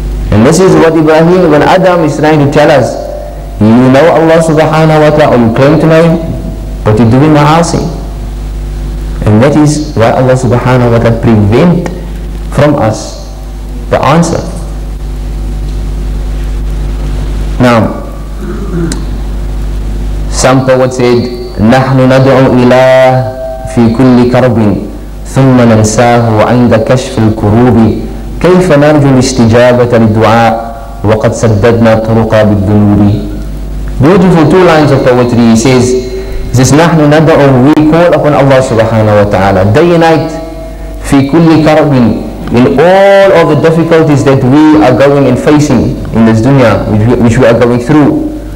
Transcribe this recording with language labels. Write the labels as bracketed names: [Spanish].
[English] And this is what Ibrahim ibn Adam is trying to tell us. You know Allah subhanahu wa ta'ala, or you claim to know Him, but you're doing ma'asi. And that is why Allah subhanahu wa ta'ala prevent from us the answer. Now, some poet said, [Arabic] نَحْنُ نَدْعُ إِلَهِ فِي كُلِّ كَرْبٍ ثُمَّ نَنْسَاهُ وَعِنْدَ كَشْفِ الْكُرُوبِ كَيْفَ نَرْجُ الْإِسْتِجَابَةَ لِلدُّعَاءِ وَقَدْ سَدَّدْنَا طُرُقَ بِالْدُّنُوبِ. [English] Beautiful two lines of poetry. He says, this [Arabic] نَحْنُ نَدْعُ, [English] we call upon Allah subhanahu wa ta'ala day and night, [Arabic] فِي كُلِّ كَرْبٍ, [English] in all of the difficulties that we are going and facing in this dunya, which we are going through.